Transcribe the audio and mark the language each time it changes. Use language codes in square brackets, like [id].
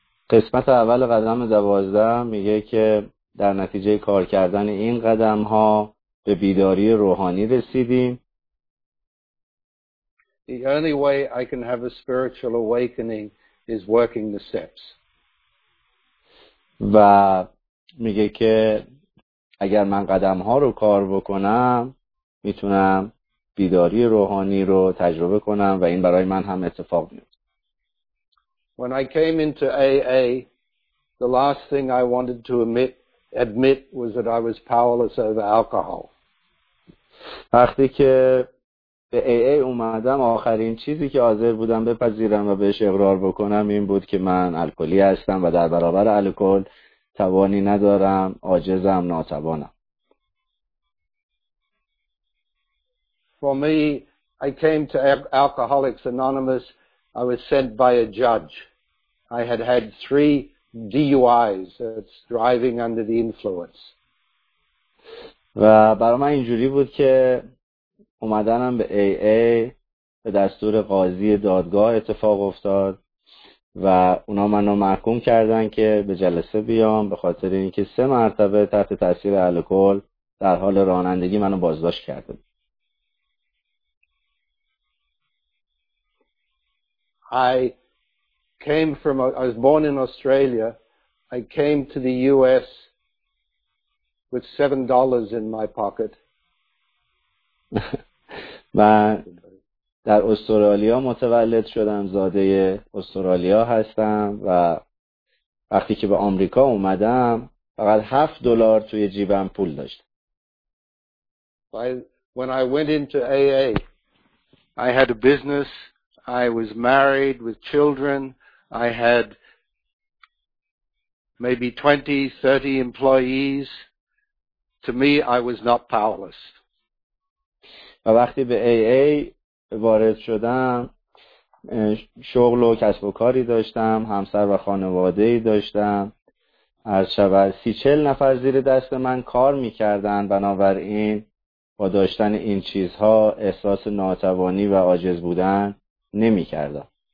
[fa] قسمت اول قدم 12 میگه که در نتیجه کار کردن این قدم ها به بیداری روحانی رسیدیم. [en] The only way I can have a spiritual awakening is working the steps. [fa] و میگه که اگر من قدم ها رو کار بکنم میتونم بیداری روحانی رو تجربه کنم و این برای من هم اتفاق میفته. [en] When I came into AA, the last thing I wanted to admit was that I was powerless over alcohol. [fa] وقتی که به AA اومدم آخرین چیزی که حاضر بودم بپذیرم و بهش اقرار بکنم این بود که من الکلی هستم و در برابر الکل توانی ندارم، عاجزم، ناتوانم. [en] For me, I came to Alcoholics Anonymous. I was sent by a judge. I had had three DUIs, that's driving under the influence. [fa] و برای من اینجوری بود که اومدنم به AA به دستور قاضی دادگاه اتفاق افتاد و اونا منو محکوم کردن که به جلسه بیام به خاطر اینکه سه مرتبه تحت تاثیر الکل در حال رانندگی منو بازداشت کرده. [en] I was born in Australia. I came to the US with $7 in my pocket. [fa] من در استرالیا متولد شدم، زاده استرالیا هستم و وقتی که به آمریکا اومدم فقط $7 توی جیبم پول داشتم. [en] When I went into AA, I had a business, I was married with children. I had maybe 20, 30 employees. To me, I was not powerless. [fa] و وقتی به AA وارد شدم شغل و کسب و کاری داشتم، همسر و خانواده‌ای داشتم، هرچند 30-40 نفر زیر دست من کار می‌کردند، بنابراین با داشتن این چیزها احساس ناتوانی و عاجز بودن نمی‌کردم.